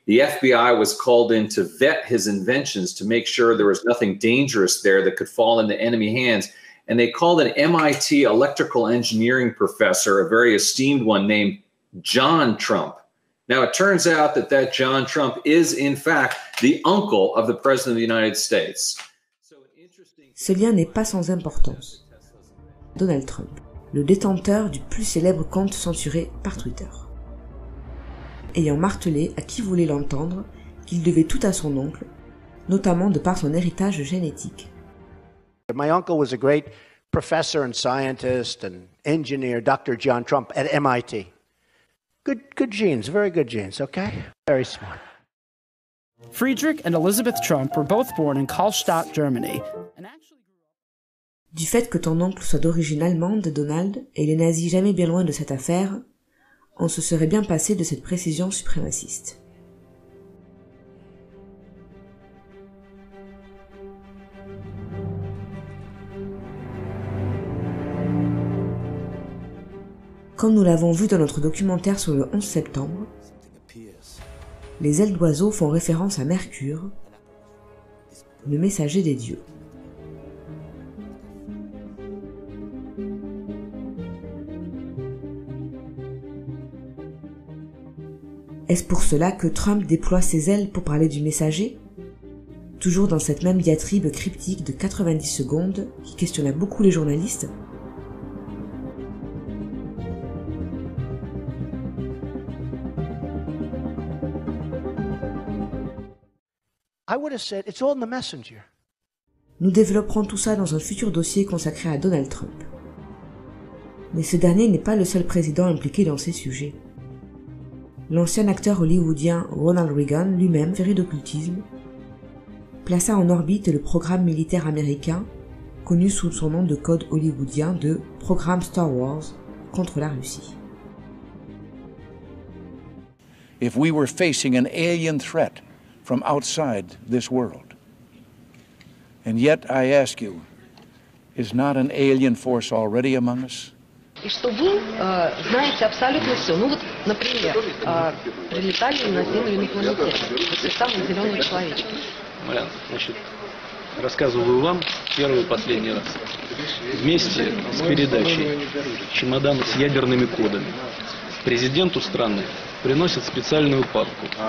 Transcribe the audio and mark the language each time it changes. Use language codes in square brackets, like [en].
[en] The FBI was called in to vet his inventions to make sure there was nothing dangerous there that could fall into enemy hands. And they called an MIT electrical engineering professor, a very esteemed one named John Trump. Now, it turns out that that John Trump is, in fact, the uncle of the President of the United States. [fr] Ce lien n'est pas sans importance. Donald Trump, le détenteur du plus célèbre compte censuré par Twitter. Ayant martelé à qui voulait l'entendre qu'il devait tout à son oncle, notamment de par son héritage génétique. [en] My uncle was a great professor and scientist and engineer, Dr. John Trump, at MIT. Good genes, very good genes, okay? Very smart. Friedrich and Elizabeth Trump were both born in Karlstadt, Germany. [fr] Du fait que ton oncle soit d'origine allemande, Donald, et les nazis jamais bien loin de cette affaire, on se serait bien passé de cette précision suprémaciste. Comme nous l'avons vu dans notre documentaire sur le 11 septembre, les ailes d'oiseau font référence à Mercure, le messager des dieux. Est-ce pour cela que Trump déploie ses ailes pour parler du messager? toujours dans cette même diatribe cryptique de 90 secondes qui questionna beaucoup les journalistes. [en] I would have said, it's all in the messenger. [fr] Nous développerons tout ça dans un futur dossier consacré à Donald Trump. Mais ce dernier n'est pas le seul président impliqué dans ces sujets. L'ancien acteur hollywoodien Ronald Reagan, lui-même féru d'occultisme, plaça en orbite le programme militaire américain, connu sous son nom de code hollywoodien de « Programme Star Wars » contre la Russie. [en] If we were facing an alien threat from outside this world, and yet I ask you, is not an alien force already among us? [ru] И что вы знаете абсолютно все. Ну вот, например, прилетали на Землю инопланетяне, эти самые зеленые человечки. Марьян, значит, рассказываю вам первый и последний раз. Вместе с передачей чемодан с ядерными кодами президенту страны приносят специальную папку.